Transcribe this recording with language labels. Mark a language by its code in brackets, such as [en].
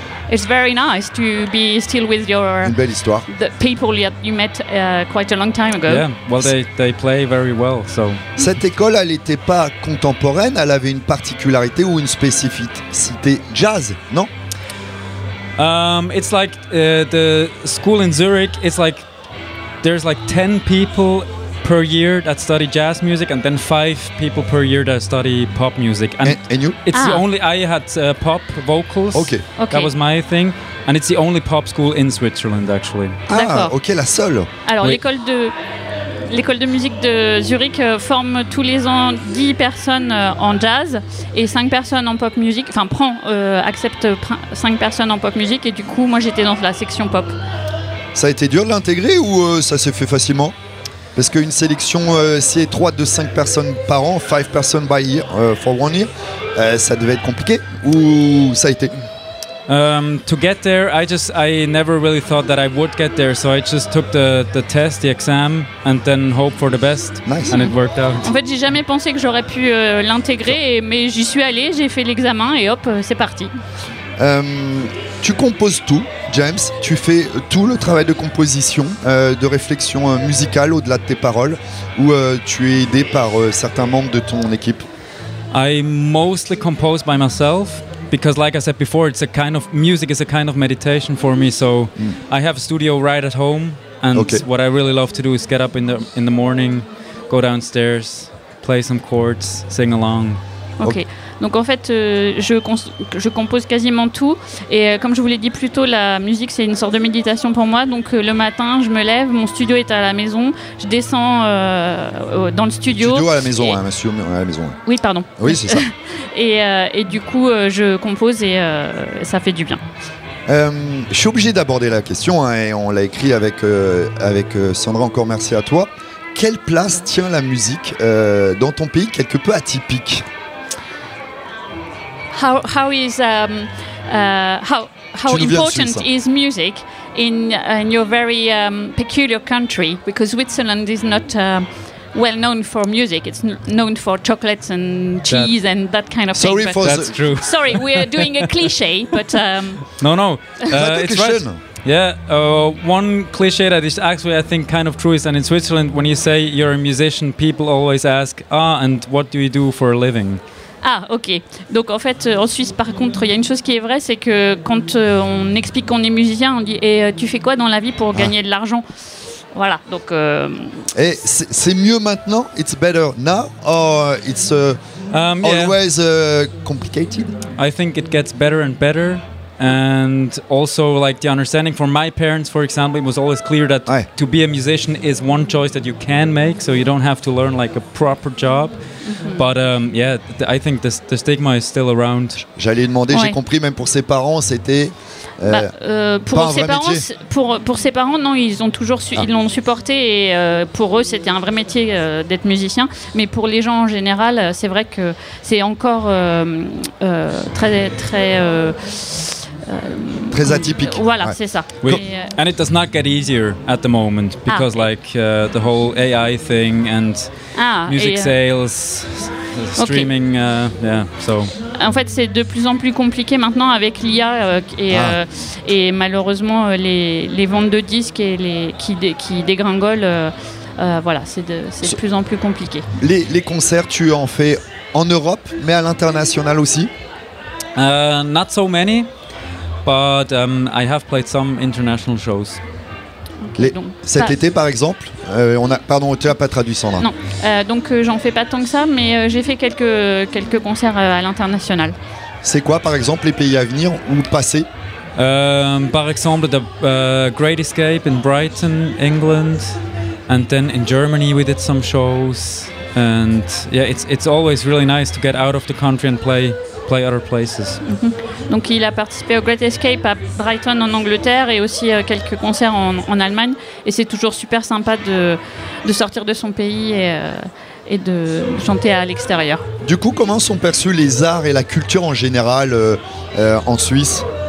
[en] It's very nice to be still with your [fr] une belle histoire. [en] The people that you met quite a long time ago. Yeah, well they play very well. So [fr] cette école, elle n'était pas contemporaine, elle avait une particularité ou une spécificité jazz, non? [en] It's like the school in Zurich, it's like there's like 10 people per year that study jazz music and then 5 people per year that study pop music. And you? It's the only, I had pop vocals. Okay. Okay. That was my thing. And it's the only pop school in Switzerland actually. [fr] Ah, d'accord. Okay, la seule. Alors, oui. L'école de musique de Zurich forme tous les ans 10 personnes en jazz et 5 personnes en pop musique. Enfin, accepte 5 personnes en pop musique et du coup, moi, j'étais dans la section pop. Ça a été dur de l'intégrer ou ça s'est fait facilement? Parce qu'une sélection si étroite de 5 personnes par an, 5 personnes [en] by year, for one year, [fr] ça devait être compliqué ou ça a été? [en] To get there, I never really thought that I would get there, so I just took the test, the exam, and then hope for the best. Nice. And it worked out. [fr] En fait, j'ai jamais pensé que j'aurais pu l'intégrer, mais j'y suis allé, j'ai fait l'examen, et hop, c'est parti. Tu composes tout, James. Tu fais tout le travail de composition, de réflexion musicale au-delà de tes paroles, ou tu es aidé par certains membres de ton équipe. [en] I mostly compose by myself. Because like I said before, it's a kind of music is a kind of meditation for me. So I have a studio right at home and what I really love to do is get up in the morning, go downstairs, play some chords, sing along. Okay. [fr] Donc en fait je compose quasiment tout et comme je vous l'ai dit plus tôt, la musique c'est une sorte de méditation pour moi. Donc le matin je me lève, mon studio est à la maison, je descends dans le studio. Studio à la maison, hein, monsieur, à la maison. Oui, pardon. Oui, c'est ça. et du coup je compose et ça fait du bien. Je suis obligé d'aborder la question et on l'a écrit avec Sandra, encore merci à toi. Quelle place tient la musique dans ton pays quelque peu atypique? [en] How important is music in your very peculiar country? Because Switzerland is not well known for music. It's known for chocolates and cheese and that kind of sorry thing. Sorry, that's true. Sorry, we are doing a cliche, but no. It's right. Yeah, one cliche that is actually I think kind of true is that in Switzerland, when you say you're a musician, people always ask, and what do you do for a living? [fr] Ah, ok. Donc en fait, en Suisse, par contre, il y a une chose qui est vraie, c'est que quand on explique qu'on est musicien, on dit « Et tu fais quoi dans la vie pour gagner de l'argent ?» Voilà, donc... Et c'est mieux maintenant? [en] It's better now? Or it's always complicated? I think it gets better and better. And also, like, the understanding for my parents, for example, it was always clear that to be a musician is one choice that you can make, so you don't have to learn, like, a proper job. Mm-hmm. But, I think the stigma is still around. [fr] J'allais demander, j'ai compris, même pour ses parents, c'était... Pour ses parents, non, ils ont toujours ils l'ont supporté et pour eux, c'était un vrai métier d'être musicien. Mais pour les gens en général, c'est vrai que c'est encore très atypique. Voilà, c'est ça. [en] And it does not get easier at the moment because like the whole AI thing and music sales. Streaming, so. [fr] En fait, c'est de plus en plus compliqué maintenant avec l'IA et malheureusement les ventes de disques et qui dégringolent. C'est de plus en plus compliqué. Les concerts, tu en fais en Europe, mais à l'international aussi? [en] Not so many, but I have played some international shows. [fr] Été par exemple tu n'as pas traduit Sandra. Non, j'en fais pas tant que ça, mais j'ai fait quelques concerts à l'international. C'est quoi par exemple les pays à venir ou passés? Par exemple [en] the Great Escape in Brighton, England, and then in Germany we did some shows, and yeah, it's always really nice to get out of the country and play other places. [fr] Donc il a participé au Great Escape à Brighton en Angleterre et aussi quelques concerts en Allemagne, et c'est toujours super sympa de sortir de son pays et de chanter à l'extérieur. Du coup, comment sont perçus les arts et la culture en général en Suisse?